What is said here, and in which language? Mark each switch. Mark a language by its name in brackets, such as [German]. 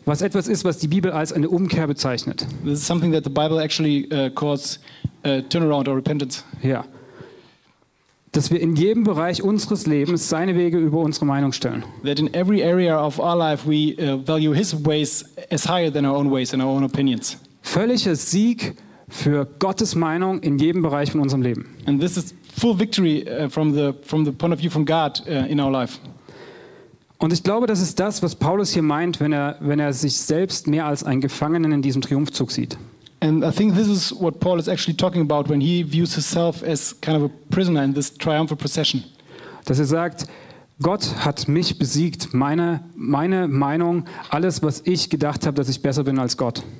[German] Was etwas ist, was die Bibel als eine Umkehr bezeichnet. [English] This is something that the Bible actually calls turnaround or repentance. [German] Ja. Dass wir in jedem Bereich unseres Lebens seine Wege über unsere Meinung stellen. [English] That in every area of our life we value his ways as higher than our own ways and our own opinions. [German] Völliger Sieg für Gottes Meinung in jedem Bereich von unserem Leben. [English] And this is full victory from the point of view from God in our life. [German] Und ich glaube, das ist das, was Paulus hier meint, wenn er sich selbst mehr als einen Gefangenen in diesem Triumphzug sieht. [English] And I think this is what Paul is actually talking about when he views himself as kind of a prisoner in this triumphal procession. [German] Dass er sagt, Gott hat mich besiegt, meine Meinung, alles, was ich gedacht habe, dass ich besser bin als Gott.